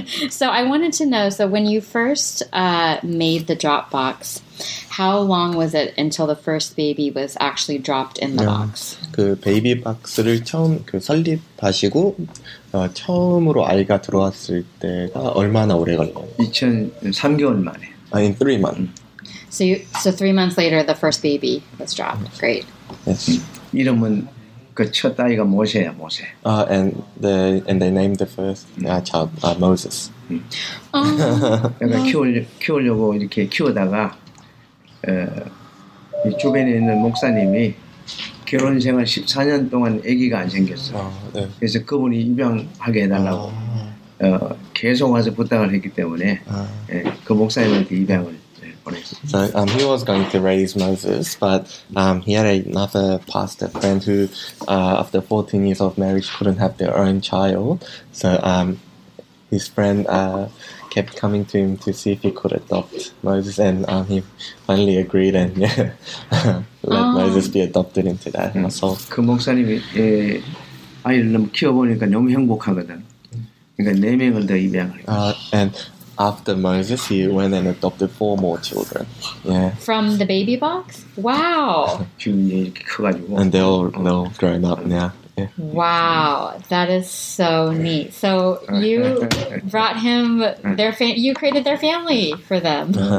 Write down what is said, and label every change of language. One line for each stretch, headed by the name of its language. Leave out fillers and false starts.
English: So I wanted to know. So when you first made the drop box, how long was it until the first baby was actually dropped in the box?
Korean: 그 베이비 박스를 처음 그 설립하시고 처음으로 아이가 들어왔을 때가 얼마나 오래 걸렸나요? 3개월 만에.
English: In 3 months. So 3 months later, the first baby was dropped. Great. Yes.
Korean: 이름은 그 첫 아이가 모세야, 모세.
English: And they named the first child Moses.
Korean: 약간 키우려고 이렇게 키우다가 이 주변에 있는 목사님이 결혼 생활 14년 동안 아기가 안 생겼어. 그래서 그분이 입양하게 해달라고 계속 와서 부탁을 했기 때문에 그 목사님한테 입양을.
English: So he was going to raise Moses, but he had another pastor friend who, after 14 years of marriage, couldn't have their own child. So his friend kept coming to him to see if he could adopt Moses, and he finally agreed and let Moses be adopted into that. So
Korean: 그 목사님이 아이를 너무 키워보니까 너무 행복하거든. 그러니까 네 명을 더 입양을.
English: And after Moses, he went and adopted 4 more children. Yeah. From the baby box? Wow. And they're all grown up now. Yeah. Wow, that is so neat. So you brought him their you created their family for them.